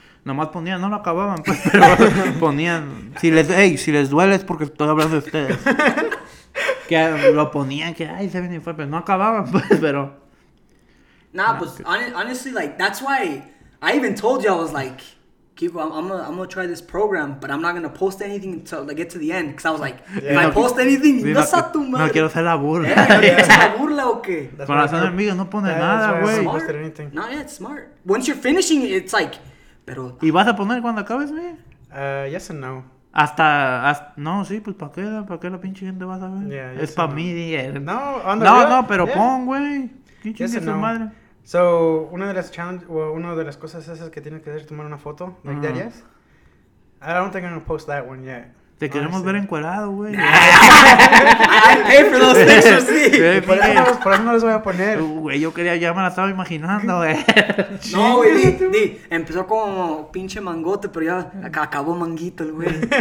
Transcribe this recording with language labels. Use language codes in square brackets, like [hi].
[es] Nomás ponían, no lo acababan, pues, pero ponían... Si les, hey, si les duele es porque estoy hablando de ustedes. Que lo ponían, que ay, 75, pero no acababan, pues, pero... [en] Nah, pues, honestly, like, that's why I even told you, I was like, Kiko, I'm gonna try this program, but I'm not gonna post anything until I get to the end, because I was like, yeah, if no, I post anything, [es] no sa tu madre. No quiero hacer la burla. ¿Quieres hacer la burla o qué? Para hacer amigo, no pone nada, güey. [en] No, yeah, it's smart. Once you're finishing it, it's like, pero... [es] ¿Y vas a poner cuando acabes, güey? [en] Yes and no. [es] Hasta no, sí, pues para qué la pinche gente va a saber? [en] Yeah, [es] es para mí, yeah. No, pero yeah. Pon, güey. ¿Qué chingue su madre? So, una de las challenges, [en] well, [es] una de las cosas esas que tienes que hacer es tomar una foto, [en] like that, yes. I don't think I'm going to post that one yet. [es] Te queremos ver encuerado, güey. [en] I pay for those things, sí. [es] Por eso no los voy a poner. Güey, yo quería, ya me la estaba imaginando, güey. No, güey, di. Empezó como pinche mangote, pero ya acabó manguito el güey.